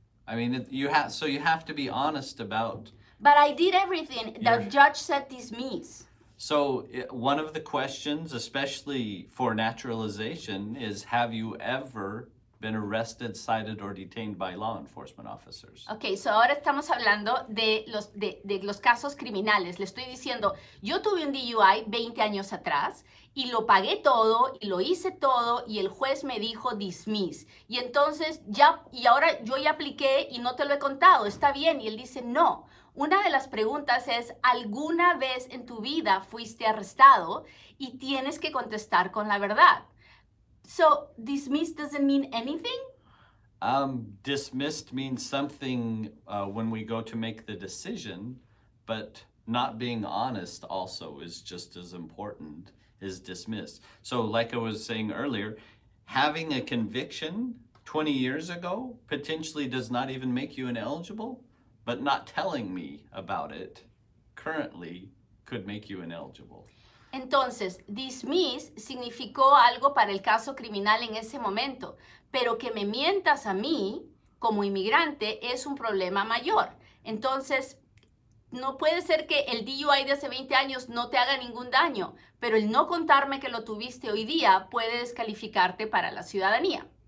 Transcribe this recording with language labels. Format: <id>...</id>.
<en>I mean, you have to be honest about... But I did everything. The judge said dismiss. So one of the questions, especially for naturalization, is have you ever been arrested, cited, or detained by law enforcement officers?</en> <es>Okay, so ahora estamos hablando de los casos criminales. Le estoy diciendo, yo tuve un DUI 20 años atrás y lo pagué todo y lo hice todo y el juez me dijo dismiss. Y entonces ya, y ahora yo ya apliqué y no te lo he contado, está bien. Y él dice, no. Una de las preguntas es, ¿alguna vez en tu vida fuiste arrestado? Y tienes que contestar con la verdad.</es> <en>So, dismissed doesn't mean anything? Dismissed means something when we go to make the decision, but not being honest also is just as important as dismissed. So, like I was saying earlier, having a conviction 20 years ago potentially does not even make you ineligible. But not telling me about it currently could make you ineligible.</en> <es>Entonces, dismiss significó algo para el caso criminal en ese momento, pero que me mientas a mí como inmigrante es un problema mayor. Entonces, no puede ser que el DUI de hace 20 años no te haga ningún daño, pero el no contarme que lo tuviste hoy día puede descalificarte para la ciudadanía.</es>